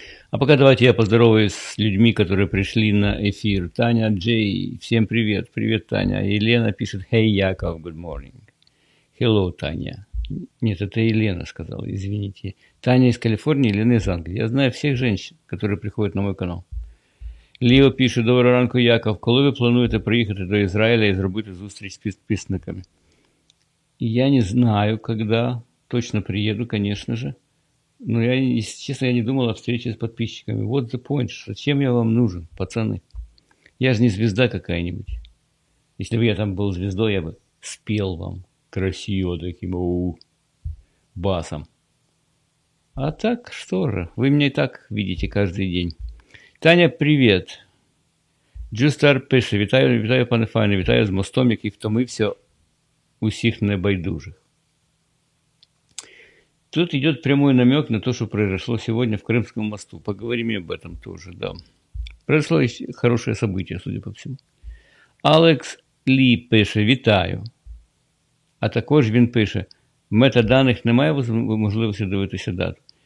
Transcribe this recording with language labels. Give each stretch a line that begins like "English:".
Russian: А пока давайте я поздороваюсь с людьми, которые пришли на эфир. Таня, Джей, всем привет. Привет, Таня. Елена пишет,
English: hey, Яков, good morning. Hello, Таня.
Russian: Нет, это Елена сказала, извините. Таня из Калифорнии, Елена из Англии. Я знаю всех женщин, которые приходят на мой канал.
Ukrainian: Лео пише, доброго ранку, Яков, коли ви плануєте приїхати до Ізраїля і зробити зустріч з підписниками?
Russian: Я не знаю, когда точно приеду, конечно же. Но я, если честно, я не думал о встрече с подписчиками.
English: What the point?
Russian: Зачем я вам нужен, пацаны? Я же не звезда какая-нибудь. Если бы я там был звездой, я бы спел вам красиво таким басом. А так, что же, вы меня и так видите каждый день.
Ukrainian: Таня, привіт. Джустар пише, вітаю, вітаю, пане Файне, вітаю з мостом, який втомився усіх небайдужих. Тут йде прямий намек на те, що
Russian: произошло
Ukrainian: сьогодні в Кримському мосту. Поговоримо
Russian: об этом тоже, да. Произошло хороше событие, судя по всему.
Ukrainian: Алекс Лі пише, вітаю. А також він пише, метаданих немає можливості дивитися дату.